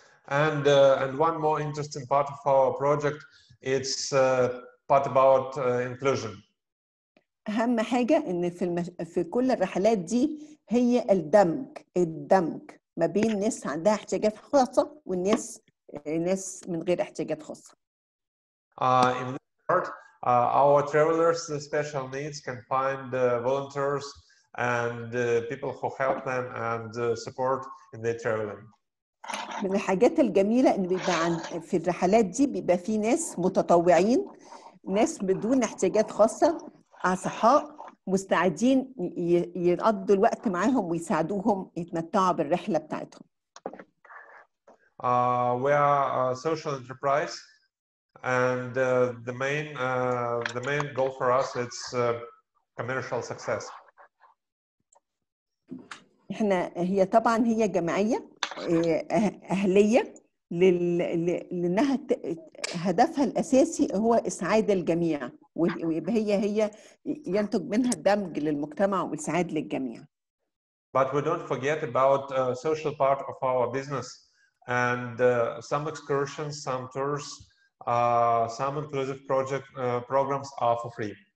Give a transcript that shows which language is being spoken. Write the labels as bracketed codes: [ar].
[en] And one more interesting part of our project, it's part about inclusion. [ar] أهم حاجة إن في في كل الرحلات دي هي الدمج ما بين ناس عندها احتياجات خاصة والناس ناس من غير احتياجات خاصة. [en] In this part, our travelers with special needs can find volunteers and people who help them and support in their traveling. [ar] من الحاجات الجميلة إن بيبقى عن في الرحلات دي بيبقى في ناس متطوعين ناس بدون احتياجات خاصة. أصحاء مستعدين يقضوا الوقت معهم ويساعدوهم يتمتعوا بالرحلة بتاعتهم. [en] We are a social enterprise, and the main goal for us is commercial success. [ar] إحنا هي طبعاً هي جمعية أهلية لأنها هدفها الأساسي هو إسعاد الجميع. وهي هي ينتج منها الدمج للمجتمع والسعادة للجميع. [en] But we don't forget about the social part of our business and some excursions, some tours, some inclusive project programs are for free.